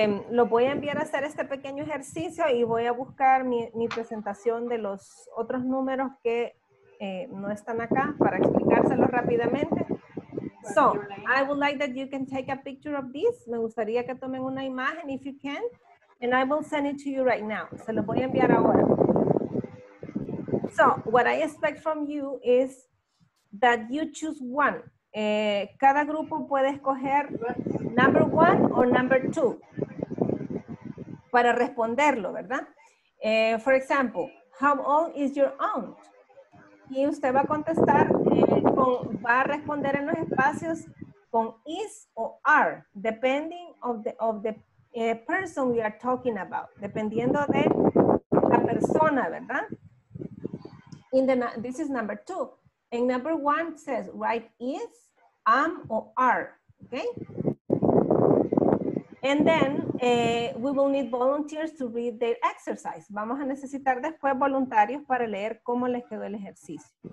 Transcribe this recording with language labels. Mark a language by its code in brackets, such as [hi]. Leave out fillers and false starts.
[es] Lo voy a enviar a hacer este pequeño ejercicio y voy a buscar mi presentación de los otros números que no están acá para explicárselo rápidamente. [en] So, I would like that you can take a picture of this. [es] Me gustaría que tomen una imagen, [en] if you can. And I will send it to you right now. [es] Se lo voy a enviar ahora. [en] So, what I expect from you is that you choose one. [es] Cada grupo puede escoger number one or number two para responderlo, ¿verdad? [en] For example, how old is your aunt? [es] Y usted va a contestar, va a responder en los espacios con [en] is o are, depending of the person we are talking about, [es] dependiendo de la persona, [en] ¿verdad? This is number two. And number one says, write is, am o are, okay? And then we will need volunteers to read their exercise. [es] Vamos a necesitar después voluntarios para leer cómo les quedó el ejercicio.